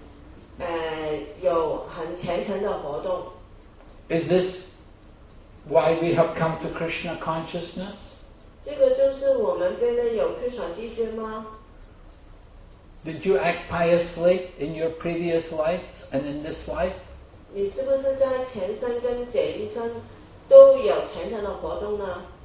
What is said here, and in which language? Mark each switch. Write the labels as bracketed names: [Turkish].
[Chinese] 一个人在前生跟这一生有很虔诚的活动 [English] Is this why we have come to Krishna consciousness? [Chinese] 这个就是我们变得有Krishna知觉吗? [English] Did you act piously in your previous lives and in this life? [Chinese] 你是不是在前生跟这一生都有虔诚的活动呢?